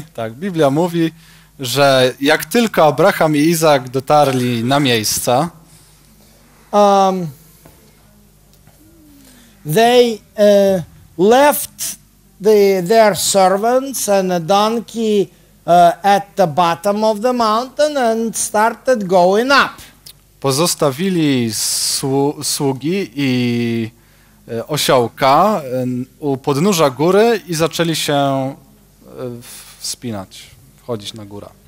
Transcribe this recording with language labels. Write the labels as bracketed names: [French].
[Polish] Biblia mówi, że jak tylko Abraham i Izak dotarli na miejsca, [English] they left their servants and a donkey at the bottom of the mountain and started going up. [Polish] Pozostawili sługi i osiołka u podnóża góry i zaczęli się wspinać, wchodzić na górę.